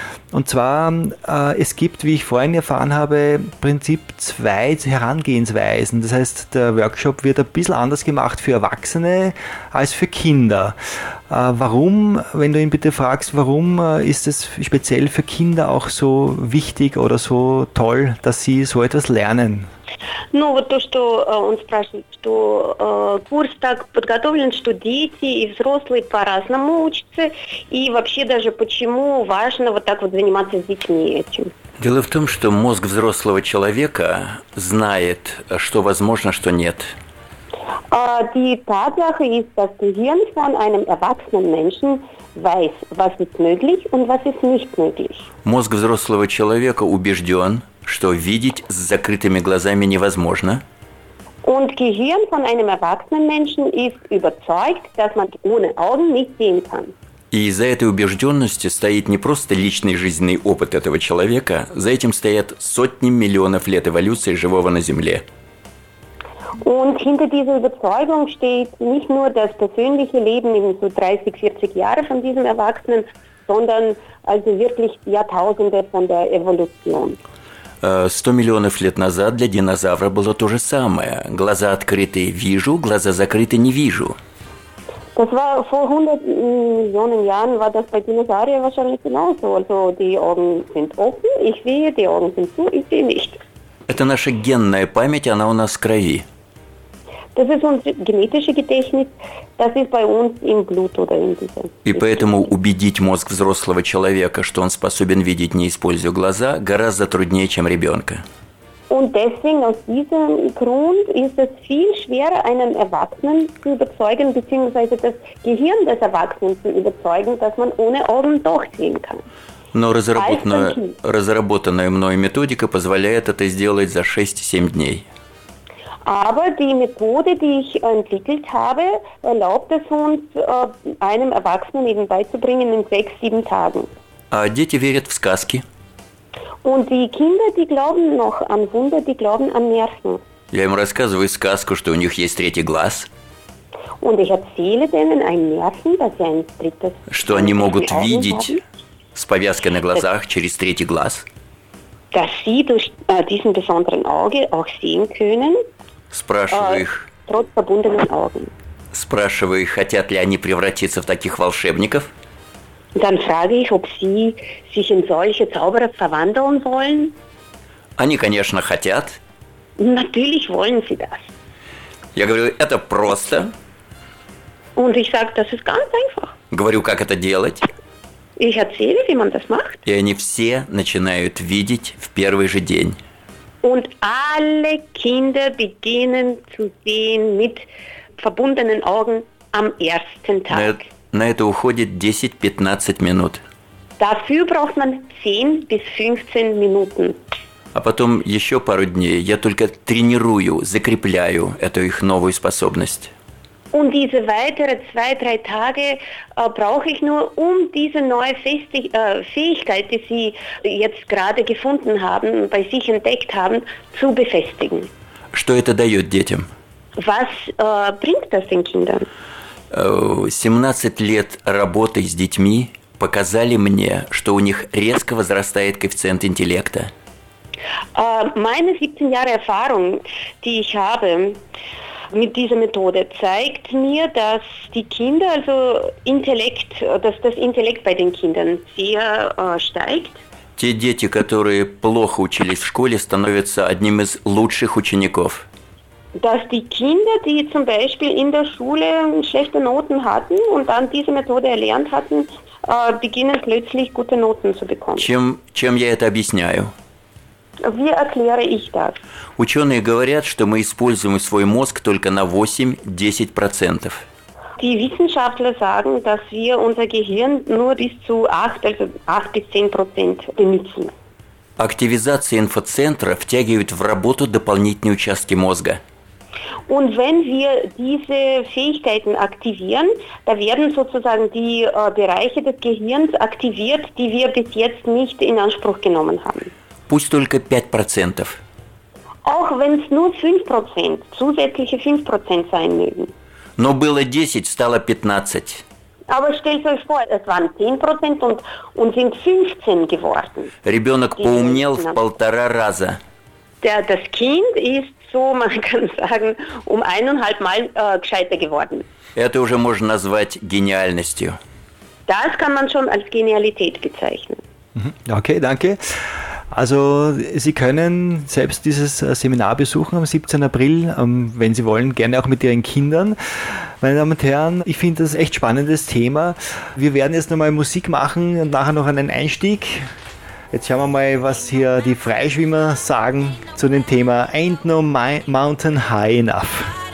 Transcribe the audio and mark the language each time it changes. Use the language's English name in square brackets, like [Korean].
[German] Und zwar, es gibt, wie ich vorhin erfahren habe, im Prinzip zwei Herangehensweisen. Das heißt, der Workshop wird ein bisschen anders gemacht für Erwachsene als für Kinder. Warum, wenn du ihn bitte fragst, warum ist es speziell für Kinder auch so wichtig oder so toll, dass sie so etwas lernen? [Russian] Ну, вот то, что он спрашивает, что курс так подготовлен, что дети и взрослые по-разному учатся, и вообще даже почему важно вот так вот заниматься с детьми этим? Дело в том, что мозг взрослого человека знает, что возможно, что нет. [German] Die Tatsache ist, dass das Gehirn von einem erwachsenen Menschen weiß, was ist möglich und was ist nicht möglich. [Russian] Мозг взрослого человека убежден, что видеть с закрытыми глазами невозможно. [German] Und Gehirn von einem erwachsenen Menschen ist überzeugt, dass man ohne Augen nicht sehen kann. [Russian] И за этой убежденностью стоит не просто личный жизненный опыт этого человека, за этим стоят сотни миллионов лет эволюции живого на Земле. [German] Und hinter dieser Überzeugung steht nicht nur das persönliche Leben in so 30, 40 Jahre von diesem Erwachsenen, sondern also wirklich Jahrtausende von der Evolution. [Russian] 100 миллионов лет назад для динозавра было то же самое. Глаза открытые вижу, глаза закрыты не вижу. [German] Das war vor 100 Millionen Jahren war das bei Dinosauriern wahrscheinlich genauso. Also die Augen sind offen, ich sehe, die Augen sind zu, ich sehe nicht. [Russian] Это наша генная память, она у нас в крови. [German] Das ist unser genetisches Gedächtnis, das ist bei uns im Blut oder in diesem. [Russian] И поэтому убедить мозг взрослого человека, что он способен видеть, не используя глаза, гораздо труднее, чем ребенка. [German] Und deswegen, aus diesem Grund, ist es viel schwerer, einen Erwachsenen zu überzeugen, beziehungsweise das Gehirn des Erwachsenen zu überzeugen, dass man ohne Augen doch sehen kann. [Russian] Но разработанная мной методика позволяет это сделать за 6-7 дней. [German] Aber die Methode, die ich entwickelt habe, erlaubt es uns, einem Erwachsenen eben beizubringen in 6-7 Tagen. [Russian] А дети верят в сказки. [German] Und die Kinder, die glauben noch an Wunder, die glauben an Märchen. [Russian] Я им рассказываю сказку, что у них есть третий глаз. [German] Und ich erzähle denen ein Märchen, dass sie ein drittes... [Russian] Что они могут видеть с повязкой на глазах через третий глаз. [German] Dass sie durch diesen besonderen Auge auch sehen können. [Russian] Спрашиваю их. [German] Trotz verbundenen Augen. [Russian] Спрашиваю, хотят ли они превратиться в таких волшебников? [German] Dann frage ich, ob sie sich in solche Zauberer verwandeln wollen. [Russian] Они, конечно, хотят. [German] Natürlich wollen sie das. [Russian] Я говорю, это просто. [German] Und ich sage, das ist ganz einfach. [Russian] Говорю, как это делать. [German] Ich erzähle, wie man das macht. [Russian] И они все начинают видеть в первый же день. [German] Und alle Kinder beginnen zu sehen mit verbundenen Augen am ersten Tag. [Russian] На это уходит 10-15 минут. [German] Dafür braucht man 10-15 Minuten. [Russian] А потом еще пару дней я только тренирую, закрепляю эту их новую способность. [German] Und diese weitere 2-3 Tage brauche ich nur, um diese neue Fähigkeit, die sie jetzt gerade gefunden haben, bei sich entdeckt haben, zu befestigen. [Russian] Что это дает детям? [German] Was bringt das den Kindern? [Russian] 17 лет работы с детьми показали мне, что у них резко возрастает коэффициент интеллекта. [German] Meine 17 Jahre Erfahrung, die ich habe mit dieser Methode, zeigt mir, dass die Kinder, also Intellekt, dass das Intellekt bei den Kindern sehr steigt. [Russian] Те дети, которые плохо учились в школе, становятся одним из лучших учеников. [German] Dass die Kinder, die zum Beispiel in der Schule schlechte Noten hatten und dann diese Methode erlernt hatten, beginnen plötzlich gute Noten zu bekommen. [Russian] Чем я это объясняю? [German] Wie erkläre ich das? [Russian] Ученые говорят, что мы используем свой мозг только на 8-10%. [German] Die Wissenschaftler sagen, dass wir unser Gehirn nur bis zu 8-10% benutzen. [Russian] Активизация инфоцентра втягивает в работу дополнительные участки мозга. [German] Und wenn wir diese Fähigkeiten aktivieren, da werden sozusagen die Bereiche des Gehirns aktiviert, die wir bis jetzt nicht in Anspruch genommen haben. [Russian] Пусть только 5%. [German] Auch wenn es nur 5%, zusätzliche 5% sein mögen. [Russian] Но было 10, стало 15. [German] Aber stellt euch vor, es waren 10% und sind 15 geworden. [Russian] Ребенок поумнел в полтора раза. [German] Das Kind ist so, man kann sagen, eineinhalb Mal gescheiter geworden. [Russian] Это уже можно назвать гениальностью. [German] Das kann man schon als Genialität bezeichnen. Okay, danke. Also, Sie können selbst dieses Seminar besuchen am 17. April, wenn Sie wollen, gerne auch mit Ihren Kindern. Meine Damen und Herren, ich finde das echt spannendes Thema. Wir werden jetzt nochmal Musik machen und nachher noch einen Einstieg. Jetzt schauen wir mal, was hier die Freischwimmer sagen zu dem Thema Ain't no mountain high enough.